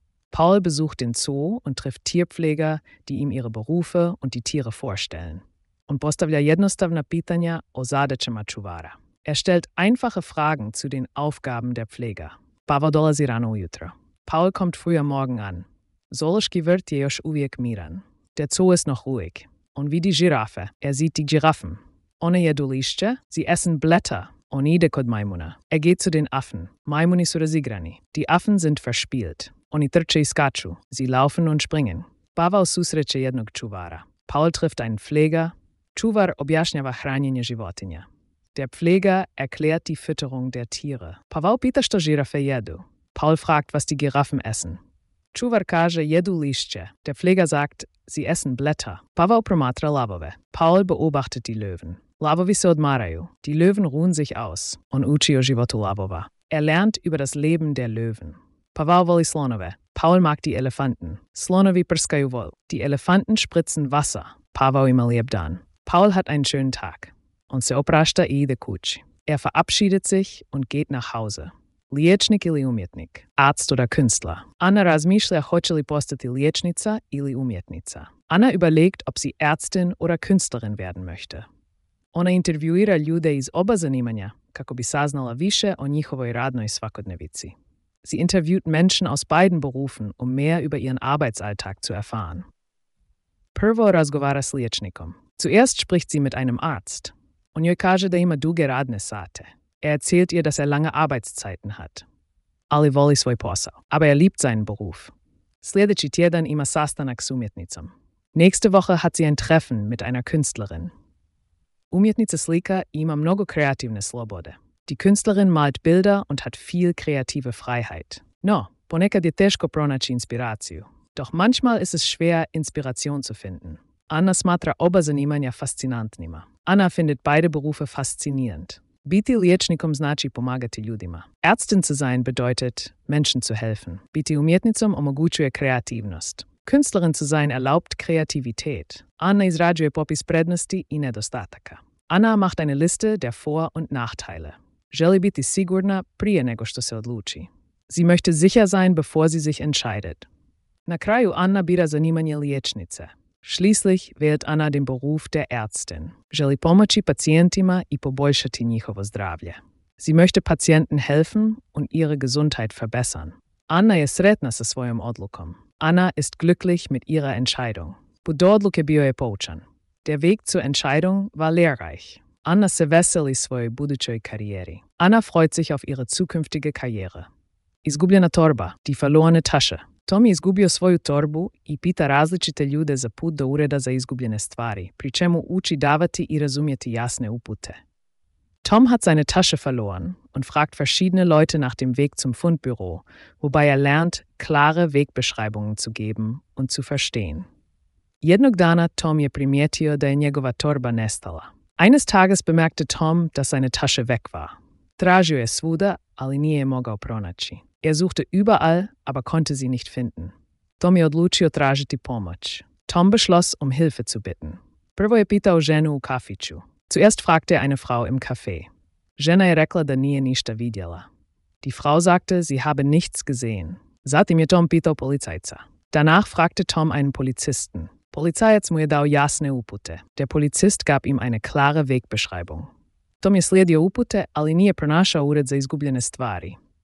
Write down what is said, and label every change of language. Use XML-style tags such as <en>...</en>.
<de>Paul besucht den Zoo und trifft Tierpfleger, die ihm ihre Berufe und die Tiere vorstellen.</de> <hr>Und postavlja jednostavna pitanja o zadaćama čuvara.</hr> <de>Stellt einfache Fragen zu den Aufgaben der Pfleger.</de> <hr>Pavao dolazi rano ujutro.</hr> <de>Paul kommt früh am Morgen an.</de> <hr>Zoološki vrt je još uvijek miran.</hr> <de>Der Zoo ist noch ruhig.</de> <hr>On vidi žirafe.</hr> <de>Sieht die Giraffen.</de> <hr>One jedu lišće.</hr> <de>Sie essen Blätter.</de> <hr>On ide kod majmuna.</hr> <de>Geht zu den Affen.</de> <hr>Majmuni su razigrani.</hr> <de>Die Affen sind verspielt.</de> <hr>Oni trče i skaču.</hr> <de>Sie laufen und springen.</de> <hr>Pavao susreće jednog čuvara.</hr> <de>Paul trifft einen Pfleger.</de> <hr>Čuvar objašnjava hranjenje životinja.</hr> <de>Der Pfleger erklärt die Fütterung der Tiere.</de> <hr>Pavao pita što žirafe jedu.</hr> <de>Paul fragt, was die Giraffen essen.</de> <hr>Čuvar kaže jedu lišće.</hr> <de>Der Pfleger sagt, sie essen Blätter.</de> <hr>Pavao promatra lavove.</hr> <de>Paul beobachtet die Löwen.</de> <hr>Lavovi se odmaraju.</hr> <de>Die Löwen ruhen sich aus.</de> <hr>On uči o životu lavova.</hr> <de>Lernt über das Leben der Löwen.</de> <hr>Pavao voli slonove.</hr> <de>Paul mag die Elefanten.</de> <hr>Slonovi prskaju vol.</hr> <de>Die Elefanten spritzen Wasser.</de> <hr>Pavao ima lijep dan.</hr> <de>Paul hat einen schönen Tag.</de> <hr>Und se oprašta i ide kući.</hr> <de>Verabschiedet sich und geht nach Hause.</de> <hr>Liječnik ili umjetnik?</hr> <de>Arzt oder Künstler?</de> <hr>Anna razmišlja hoće li postati liječnica ili umjetnica.</hr> <de>Anna überlegt, ob sie Ärztin oder Künstlerin werden möchte.</de> <hr>Ona intervjuira ljude iz oba zanimanja, kako bi saznala više o njihovoj radnoj svakodnevici.</hr> <de>Sie interviewt Menschen aus beiden Berufen, um mehr über ihren Arbeitsalltag zu erfahren.</de> <hr>Prvo razgovara s liječnikom.</hr> <de>Zuerst spricht sie mit einem Arzt.</de> <hr>On joj kaže da ima duge radne sate.</hr> <de>Erzählt ihr, dass lange Arbeitszeiten hat.</de> <hr>Ali voli svoj posao.</hr> <de>Aber liebt seinen Beruf.</de> <hr>Sljedeći tjedan ima sastanak s umjetnicom.</hr> <de>Nächste Woche hat sie ein Treffen mit einer Künstlerin.</de> <hr>Umjetnica slika ima mnogo kreativne slobode.</hr> <de>Die Künstlerin malt Bilder und hat viel kreative Freiheit.</de> <hr>No, ponekad je teško pronaći inspiraciju.</hr> <de>Doch manchmal ist es schwer, Inspiration zu finden.</de> <hr>Anna smatra oba zanimanja fascinantnima.</hr> <de>Anna findet beide Berufe faszinierend.</de> <hr>Biti liječnikom znači pomagati ljudima.</hr> <de>Ärztin zu sein bedeutet, Menschen zu helfen.</de> <hr>Biti umjetnicom omogućuje kreativnost.</hr> <de>Künstlerin zu sein erlaubt Kreativität.</de> <hr>Anna izrađuje popis prednosti i nedostataka.</hr> <de>Anna macht eine Liste der Vor- und Nachteile.</de> <hr>Želi biti sigurna prije nego što se odluči.</hr> <de>Sie möchte sicher sein, bevor sie sich entscheidet.</de> <hr>Na kraju Anna bira zanimanje liječnice.</hr> <de>Schließlich wählt Anna den Beruf der Ärztin.</de> <hr>Želi pomoći pacijentima i poboljšati njihovo zdravlje.</hr> <de>Sie möchte Patienten helfen und ihre Gesundheit verbessern.</de> <hr>Anna je sretna sa svojom odlukom.</hr> <de>Anna ist glücklich mit ihrer Entscheidung.</de> <hr>Budu odluke bio je poučan.</hr> <de>Der Weg zur Entscheidung war lehrreich.</de> <hr>Anna se veseli svojoj budućoj karijeri.</hr> <de>Anna freut sich auf ihre zukünftige Karriere.</de> <hr>Izgubljena torba,</hr> <de>die verlorene Tasche.</de> <hr>Tommy izgubio svoju torbu i pita različite ljude za put do ureda za izgubljene stvari, pri čemu uči davati i razumjeti jasne upute.</hr> <de>Tom hat seine Tasche verloren und fragt verschiedene Leute nach dem Weg zum Fundbüro, wobei lernt, klare Wegbeschreibungen zu geben und zu verstehen.</de> <hr>Jednog dana Tom je primijetio da je njegova torba nestala.</hr> <de>Eines Tages bemerkte Tom, dass seine Tasche weg war.</de> <hr>Tražio je svuda, ali nije je mogao pronaći.</hr> <de>Suchte überall, aber konnte sie nicht finden.</de> <hr>Tom je odlučio tražiti pomoć.</hr> <de>Tom beschloss, um Hilfe zu bitten.</de> <hr>Prvo je pitao ženu u kafiću.</hr> <de>Zuerst fragte er eine Frau im Café.</de> <hr>Žena je rekla da nije ništa vidjela.</hr> <de>Die Frau sagte, sie habe nichts gesehen.</de> <hr>Zatim je Tom pitao policajca.</hr> <de>Danach fragte Tom einen Polizisten.</de> <hr>Policajac mu je dao jasne upute.</hr> <de>Der Polizist gab ihm eine klare Wegbeschreibung.</de> <hr>Tom je slijedio upute, ali nije pronašao ured za izgubljene stvari.</hr>